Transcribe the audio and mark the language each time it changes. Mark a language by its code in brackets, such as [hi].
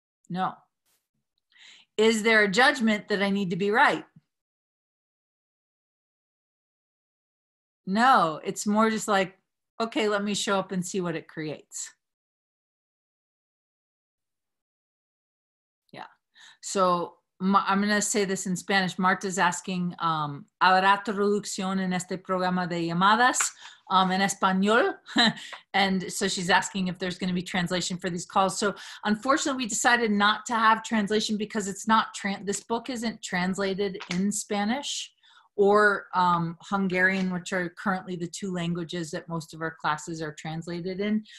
[en] No. Is there a judgment that I need to be right? No, it's more just like, okay, let me show up and see what it creates. Yeah. So I'm going to say this in Spanish. Marta's asking, [es] ¿habrá traducción en este programa de llamadas? En español. [en] And so she's asking if there's going to be translation for these calls. So unfortunately, we decided not to have translation because it's not this book isn't translated in Spanish or Hungarian, which are currently the two languages that most of our classes are translated in.